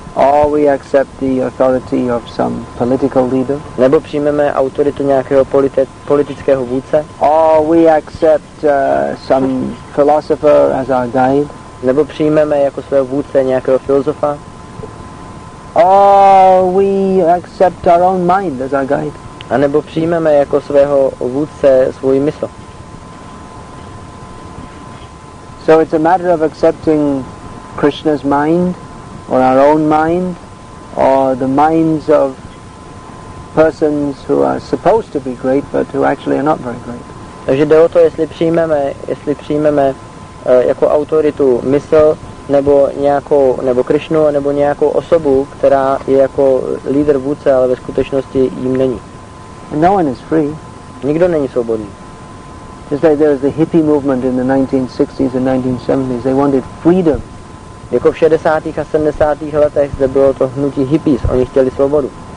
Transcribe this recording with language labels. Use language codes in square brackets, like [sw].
[en] or we accept the authority of some political leader, [cs] nebo přijmeme autoritu nějakého politického vůdce, [en] or we accept some philosopher as our guide, [cs] nebo přijmeme jako svého vůdce nějakého filozofa, [en] or we accept our own mind as our guide, [cs] a nebo přijmeme jako svého vůdce svůj mysl. [en] So it's a matter of accepting Krishna's mind, or our own mind, or the minds of persons who are supposed to be great, but who actually are not very great. [cs] Takže jde o to, jestli přijmeme jako autoritu mysl, nebo Krishnu, nebo nějakou osobu, která je jako lídr vůdce, ale ve skutečnosti jim není. [en] And no one is free. [cs] Nikdo není svobodný. [en] Just like there was the hippie movement in the 1960s and 1970s, they wanted freedom. [cs] Jako v 60. a 70. letech zde bylo to hnutí hippies, oni chtěli svobodu.